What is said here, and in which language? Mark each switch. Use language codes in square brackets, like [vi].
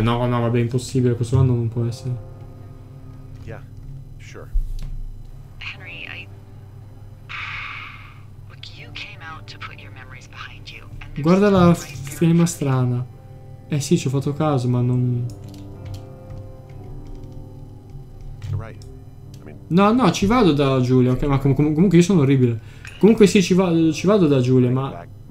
[it] No, no, vabbè, è impossibile. Questo anno non può essere. [en] Yeah, sure. Henry, look, you came out to put your memories behind you. [it] Guarda la firma strana. Eh sì, ci ho fatto caso, ma non. No, no, ci vado da Giulia. Ok, ma comunque io sono orribile. Comunque sì, ci vado da Giulia, ma.